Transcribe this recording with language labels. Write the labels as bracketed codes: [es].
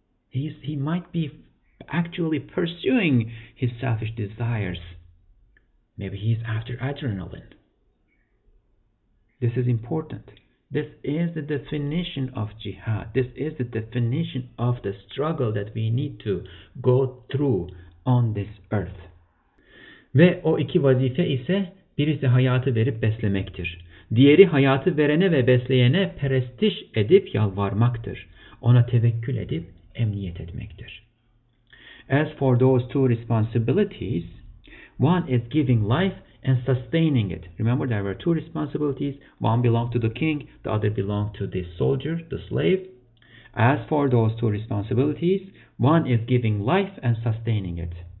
[en] He might be actually pursuing his selfish desires. Maybe he's after adrenaline. This is important. This is the definition of jihad. This is the definition of the struggle that we need to go through on this earth. [tr] Ve o iki vazife ise birisi hayatı verip beslemektir. Diğeri hayatı verene ve besleyene perestiş edip yalvarmaktır. Ona tevekkül edip emniyet etmektir. [en] As for those two responsibilities, one is giving life and sustaining it. Remember, there were two responsibilities. One belonged to the king, the other belonged to the soldier, the slave. As for those two responsibilities, one is giving life and sustaining it.